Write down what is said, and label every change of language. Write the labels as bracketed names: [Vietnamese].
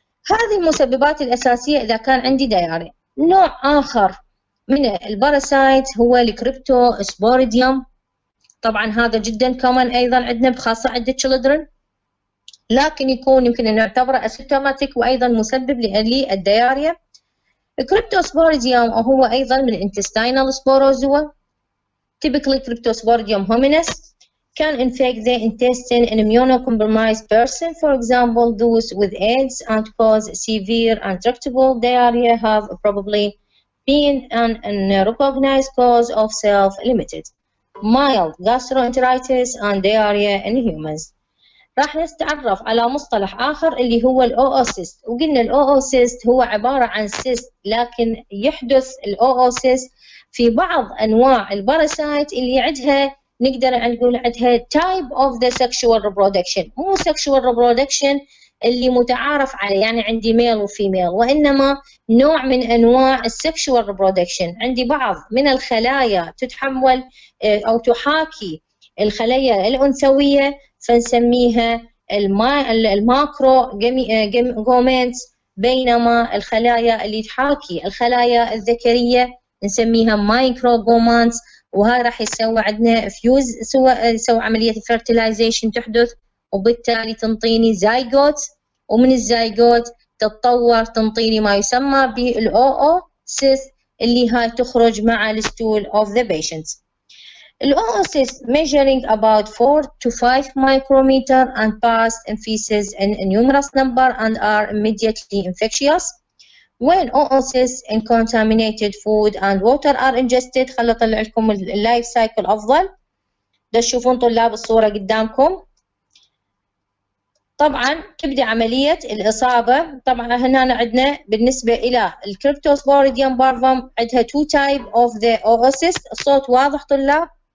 [Arabic] هذه المسببات الأساسية إذا كان عندي دياري. نوع آخر من الباراسايت هو الكريبتو سبوريديوم طبعا هذا جدا كمان أيضا عندنا بخاصة عند children لكن يكون يمكن أن نعتبره أسيمتوماتيك وأيضا مسبب لي الدياري. الكريبتو سبوريديوم هو أيضا من الانتستينال سبوروزوا [English] typically Cryptosporidium hominis can infect the intestine in immunocompromised person, for example, those with AIDS and cause severe and tractable diarrhea have probably been an unrecognized cause of self-limited mild gastroenteritis and diarrhea in humans. [Arabic] راح نتعرف على مصطلح آخر اللي هو الأوأوسيست وقلنا الأوأوسيست هو عبارة عن سيست لكن يحدث الأوأوسيست في بعض أنواع الباراسايت اللي عندها نقدر نقول عندها [English] type of the sexual reproduction [Arabic] مو sexual reproduction اللي متعارف عليه يعني عندي male وfemale وإنما نوع من أنواع sexual reproduction عندي بعض من الخلايا تتحول أو تحاكي الخلايا الأنثوية فنسميها الماكروغومنتس بينما الخلايا اللي تحاكي الخلايا الذكرية نسميها مايكروغومنتس وهذا راح يسوي عندنا فيوز يسوي عملية fertilization تحدث وبالتالي تنطيني زايغوت ومن الزايغوت تتطور تنطيني ما يسمى بالأوأوسيست اللي هاي تخرج مع الستول [English] of the patients. الأوأوسيست measuring about 4 to 5 micrometer and past in feces in numerous number and are immediately infectious. When oocysts in contaminated food and water are ingested [Arabic] خلّى طلع لكم اللايف سايكل أفضل ده شوفون طلاب الصورة قدامكم طبعاً تبدأ عملية الإصابة طبعاً هنا عندنا بالنسبة إلى الكريبتوسبوريديوم بارفوم عندها [English] two type of the oocysts [Arabic] الصوت واضح طلاب